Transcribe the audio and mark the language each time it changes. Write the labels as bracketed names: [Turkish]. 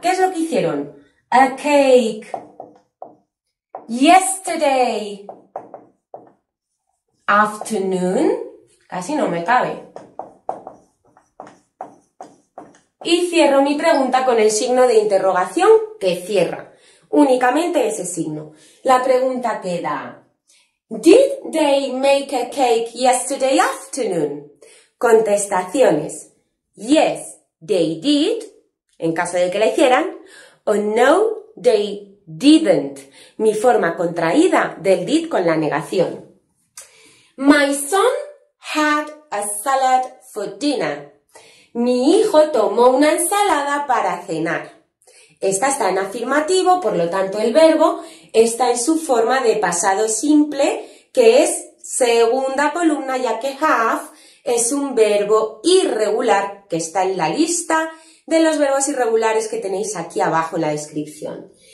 [Spanish] ¿Qué es lo que hicieron? [English] A cake. Yesterday. [Spanish] Afternoon. Casi no me cabe. Y cierro mi pregunta con el signo de interrogación que cierra. Únicamente ese signo. La pregunta queda. [English] Did they make a cake yesterday afternoon? [Spanish] Contestaciones. [English] Yes, they did, [Spanish] en caso de que la hicieran. [English] O no, they didn't. [Spanish] Mi forma contraída del did con la negación. [English] My son had a salad for dinner. [Spanish] Mi hijo tomó una ensalada para cenar. Esta está en afirmativo, por lo tanto el verbo está en su forma de pasado simple, que es segunda columna, ya que have es un verbo irregular que está en la lista de los verbos irregulares que tenéis aquí abajo en la descripción.